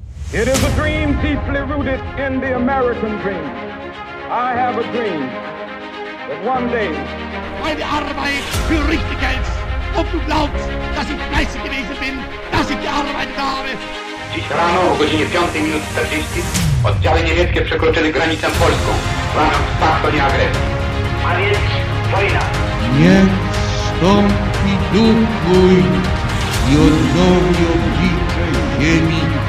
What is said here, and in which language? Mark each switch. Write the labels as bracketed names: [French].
[English] It is a dream deeply rooted in the American dream. I have a dream that one day... [German] Meine Arbeit für richtig hält. Ob du glaubst, dass ich fleißig gewesen bin, dass ich gearbeitet habe. [Polish] Dziś rano o godzinie 5:40 oddziały niemieckie przekroczyły granicę polską. Plan wsparcia nie agresji. A więc wojna. Niech wstąpi duch mój i odnowi oblicze ziemi.